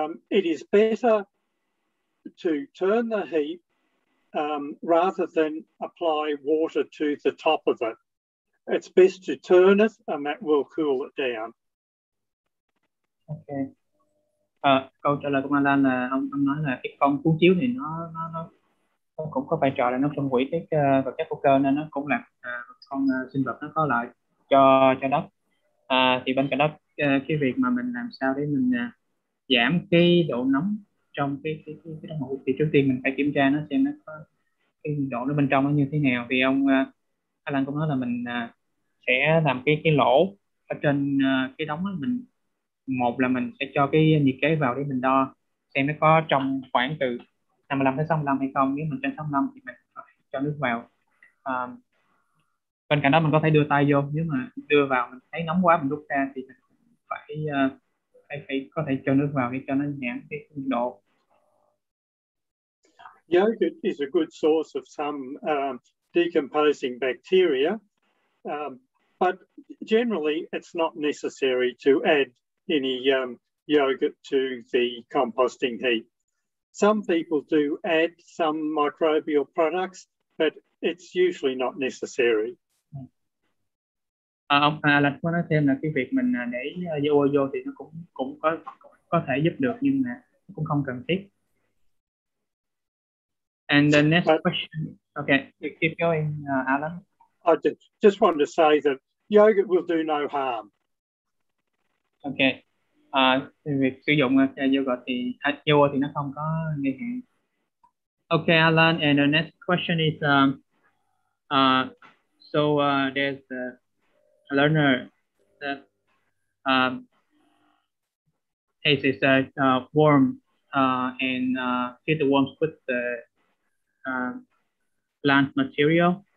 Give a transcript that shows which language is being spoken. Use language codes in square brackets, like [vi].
[en] It is better to turn the heap rather than apply water to the top of it. It's best to turn it and that will cool it down. Okay. [vi] Câu trả lời của Alan là ông nói là cái con cuốn chiếu thì nó cũng có vai trò là nó phân hủy cái vật chất hữu cơ, nên nó cũng là con sinh vật nó có lợi cho đất. Thì bên cạnh đó cái việc mà mình làm sao để mình giảm cái độ nóng trong cái đất hữu, thì trước tiên mình phải kiểm tra nó xem nó có cái độ nó bên trong nó như thế nào. Thì ông Alan cũng nói là mình sẽ làm cái lỗ ở trên cái đống đó. Mình một là mình sẽ cho cái nhiệt kế vào để mình đo xem nó có trong khoảng từ 55 đến 65 hay không. Nếu mình trên 65 thì mình cho nước vào. Bên cạnh đó mình có thể đưa tay vô, nếu mà đưa vào mình thấy nóng quá mình rút ra thì mình phải có thể cho nước vào để cho nó giảm cái nhiệt độ. [en] Yogurt is a good source of some decomposing bacteria, but generally it's not necessary to add any yogurt to the composting heap. Some people do add some microbial products, but it's usually not necessary. [vi] Ông Alan có nói thêm là cái việc mình để vô thì nó cũng có thể giúp được, nhưng mà cũng không cần thiết. [en] And the next question. Okay, keep going, Alan. I just wanted to say that yogurt will do no harm. Okay. [vi] Việc sử dụng yogurt thì yogurt thì nó không có nguy hại. [en] Okay, Alan, and the next question is there's a learner that has this worm and feed the worms with the plant material.